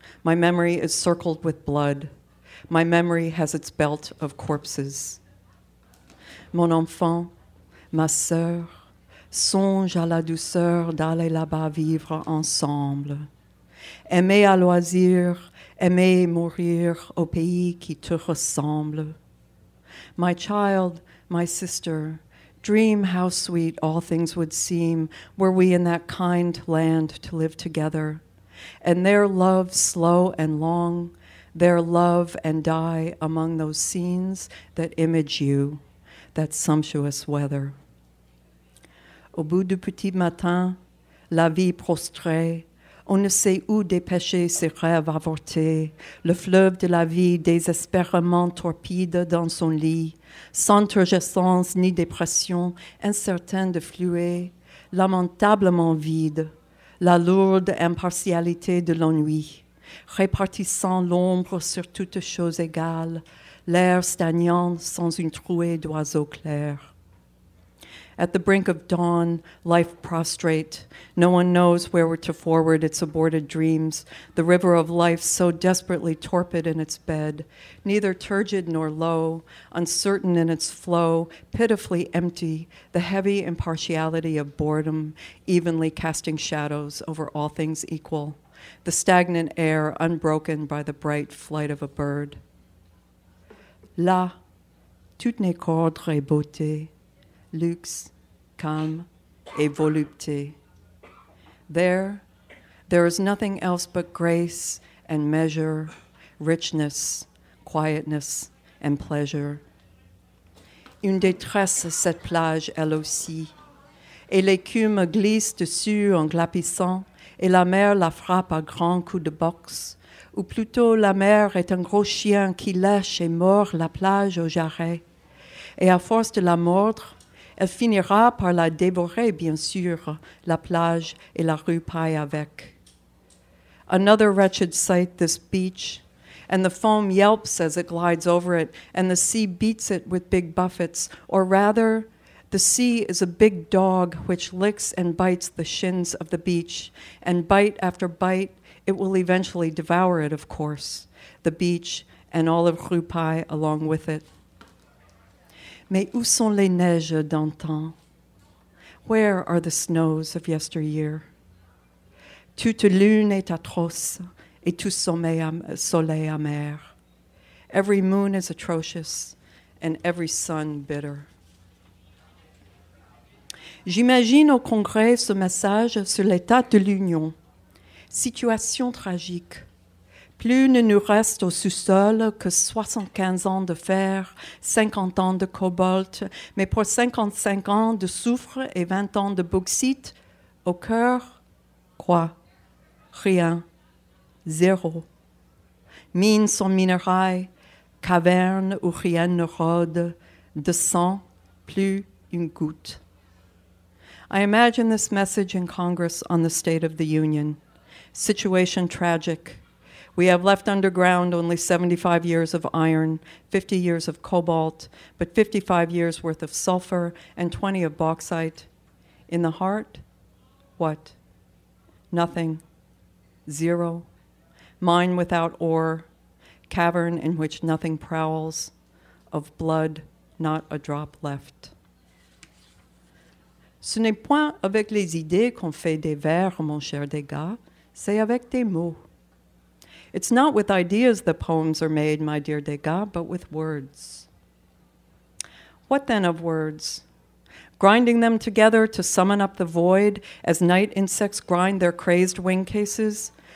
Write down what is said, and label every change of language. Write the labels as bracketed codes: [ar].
[en] My memory is circled with blood. My memory has its belt of corpses. [fr] Mon enfant, ma sœur, songe à la douceur d'aller là-bas vivre ensemble. aimer à loisir, aimer mourir au pays qui te ressemble. [en] My child, my sister, dream how sweet all things would seem were we in that kind land to live together. And their love slow and long, their love and die among those scenes that image you, that sumptuous weather. [fr] Au bout du petit matin, la vie prostrée, on ne sait où dépêcher ses rêves avortés, le fleuve de la vie désespérément torpide dans son lit, sans turgescence ni dépression, incertain de fluer, lamentablement vide, la lourde impartialité de l'ennui, répartissant l'ombre sur toute chose égale, l'air stagnant sans une trouée d'oiseaux clairs. [en] At the brink of dawn, life prostrate, no one knows where to forward its aborted dreams, the river of life so desperately torpid in its bed, neither turgid nor low, uncertain in its flow, pitifully empty, the heavy impartiality of boredom, evenly casting shadows over all things equal, the stagnant air unbroken by the bright flight of a bird. [fr] Là, toutes les cordes et beauté, luxe, calme, et volupté. [en] There is nothing else but grace and measure, richness, quietness, and pleasure. [fr] Une détresse cette plage, elle aussi, et l'écume glisse dessus en glapissant, et la mer la frappe à grands coups de boxe, ou plutôt la mer est un gros chien qui lèche et mord la plage au jarret, et à force de la mordre, elle finira par la dévorer, bien sûr, la plage et la rue paille avec. [en] Another wretched sight, this beach, and the foam yelps as it glides over it, and the sea beats it with big buffets, or rather, the sea is a big dog which licks and bites the shins of the beach, and bite after bite, it will eventually devour it, of course, the beach and all of rue paille along with it. [fr] Mais où sont les neiges d'antan? [en] Where are the snows of yesteryear? [fr] Toute lune est atroce et tout soleil amer. [en] Every moon is atrocious and every sun bitter. [fr] J'imagine au Congrès ce message sur l'état de l'Union. Situation tragique. Plus ne nous reste au sous-sol que 75 ans de fer, 50 ans de cobalt, mais pour 55 ans de soufre et 20 ans de bauxite, au cœur, quoi? Rien. Zéro. Mines sans minerai, cavernes où rien ne rôde, de sang, plus une goutte. [en] I imagine this message in Congress on the State of the Union. Situation tragic. We have left underground only 75 years of iron, 50 years of cobalt, but 55 years worth of sulfur and 20 of bauxite. In the heart, what? Nothing. Zero. Mine without ore. Cavern in which nothing prowls. Of blood, not a drop left. [fr] Ce n'est point avec les idées qu'on fait des vers, mon cher Degas, c'est avec des mots. [en] It's not with ideas that poems are made, my dear Degas, but with words. What then of words? Grinding them together to summon up the void as night insects grind their crazed wing cases?